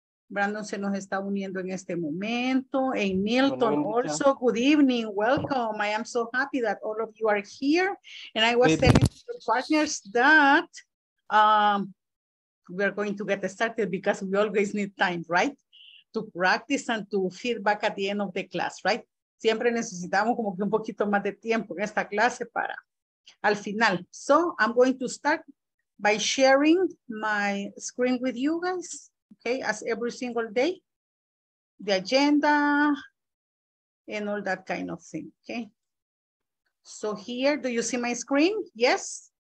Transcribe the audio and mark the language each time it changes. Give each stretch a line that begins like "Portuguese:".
Spanish: Brandon se nos está uniendo en este momento.
English: And Milton also, good evening, welcome. I am so happy that all of you are here. And I was telling your partners that we are going to get started because we always need time, right? To practice and to feedback at the end of the class, right?
Spanish: Siempre necesitamos como que un poquito más de tiempo en esta clase para al final.
English: So I'm going to start by sharing my screen with you guys, okay? As every single day, the agenda and all that kind of thing, okay? So here, do you see my screen? Yes?